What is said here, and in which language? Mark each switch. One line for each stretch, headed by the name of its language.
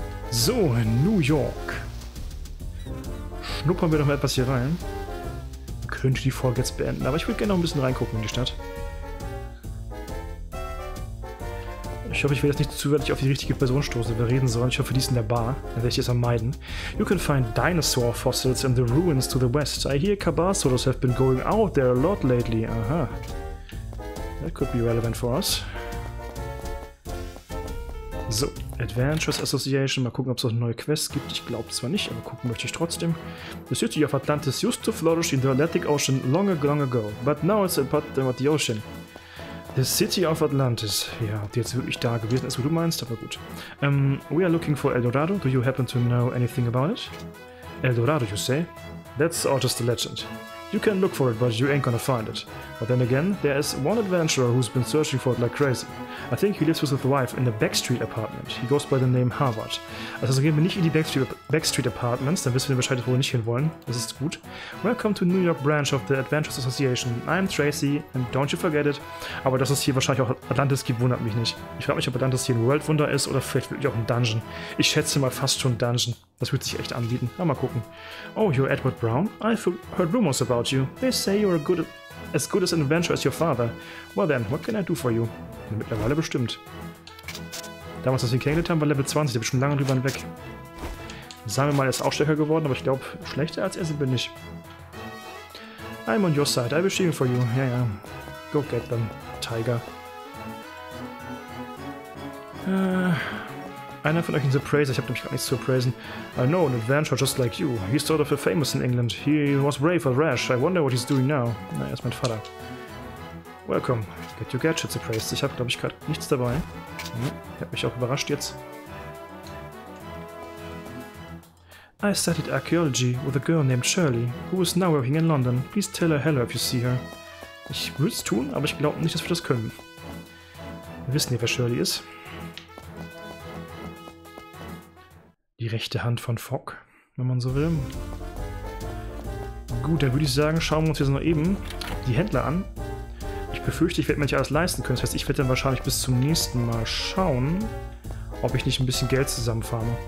German: So, New York. Schnuppern wir doch mal etwas hier rein. Könnte die Folge jetzt beenden, aber ich würde gerne noch ein bisschen reingucken in die Stadt. Ich hoffe, ich werde jetzt nicht zufällig auf die richtige Person stoßen, wenn wir reden sollen. Ich hoffe, die ist in der Bar. Dann werde ich es vermeiden.
English: You can find dinosaur fossils in the ruins to the west. I hear Cabasaurus have been going out there a lot lately. Aha. That could be relevant for us. So, Adventures Association.
German: Mal gucken, ob es noch eine neue Quest gibt. Ich glaube zwar nicht, aber gucken möchte ich trotzdem.
English: The city of Atlantis used to flourish in the Atlantic Ocean long, long ago. But now it's a part of the ocean. The city of Atlantis.
German: Ja, ob die jetzt wirklich da gewesen ist, wo du meinst, aber gut.
English: We are looking for El Dorado. Do you happen to know anything about it? El Dorado, you say? That's all just a legend. You can look for it, but you ain't gonna find it. But then again, there is one adventurer who's been searching for it like crazy. I think he lives with his wife in the Backstreet Apartment. He goes by the name Harvard.
German: Also gehen wir nicht in die Backstreet Apartments, dann wissen wir wahrscheinlich, wo wir nicht hinwollen. Das ist gut.
English: Welcome to New York Branch of the Adventurers Association. I'm Tracy, and don't you forget it.
German: Aber dass es hier wahrscheinlich auch Atlantis gibt, wundert mich nicht. Ich frage mich, ob Atlantis hier ein World Wonder ist oder vielleicht wirklich auch ein Dungeon. Ich schätze mal fast schon Dungeon. Das würde sich echt anbieten. Na, mal gucken.
English: Oh, you're Edward Brown? I've heard rumors about you. They say you're as good as an adventurer as your father. Well then, what can I do for you?
German: Mittlerweile bestimmt. Damals, als wir ihn kennengelernt haben, war Level 20. Der ist schon lange drüber hinweg. Sagen wir mal, er ist auch stärker geworden, aber ich glaube, schlechter als er sind wir nicht.
English: I'm on your side. I'll be cheering for you.
German: Ja, ja.
English: Go get them. Tiger.
German: Einer von euch ist ein Appraiser. Ich habe nämlich gar nichts zu appraisen.
English: I know an adventurer just like you. He's sort of a famous in England. He was brave or rash. I wonder what he's doing now.
German: Na, er ist mein Vater.
English: Welcome. Get your gadgets appraised.
German: Ich habe, glaube ich, gerade nichts dabei. Ich habe mich auch überrascht jetzt.
English: I studied archaeology with a girl named Shirley, who is now working in London. Please tell her hello if you see her.
German: Ich würde es tun, aber ich glaube nicht, dass wir das können. Wir wissen ja, wer Shirley ist. Die rechte Hand von Fogg, wenn man so will. Gut, dann würde ich sagen, schauen wir uns jetzt noch eben die Händler an. Ich befürchte, ich werde mir nicht alles leisten können. Das heißt, ich werde dann wahrscheinlich bis zum nächsten Mal schauen, ob ich nicht ein bisschen Geld zusammenfarme.